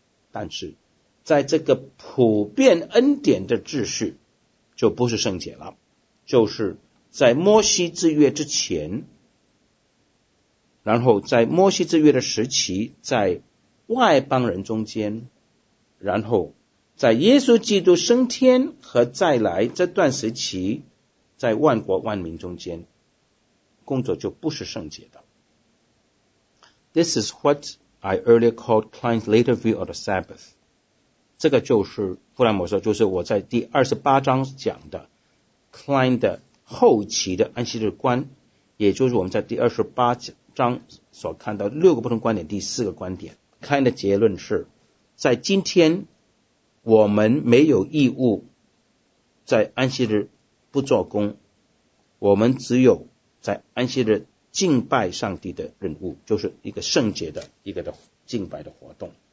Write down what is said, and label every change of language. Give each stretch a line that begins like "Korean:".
Chinese: 但是在这个普遍恩典的秩序就不是圣洁了，就是在摩西之约之前，然后在摩西之约的时期，在外邦人中间，然后在耶稣基督升天和再来这段时期，在万国万民中间，工作就不是圣洁的。
English: This is what I earlier called Klein's later view of the Sabbath.
Chinese: 这个就是弗兰摩说，就是我在第28章讲的 Klein 的后期的安息日观，也就是我们在第28章所看到六个不同观点第四个观点。开的结论是，在今天我们没有义务在安息日不做工，我们只有在安息日敬拜上帝的任务，就是一个圣洁的一个的敬拜的活动。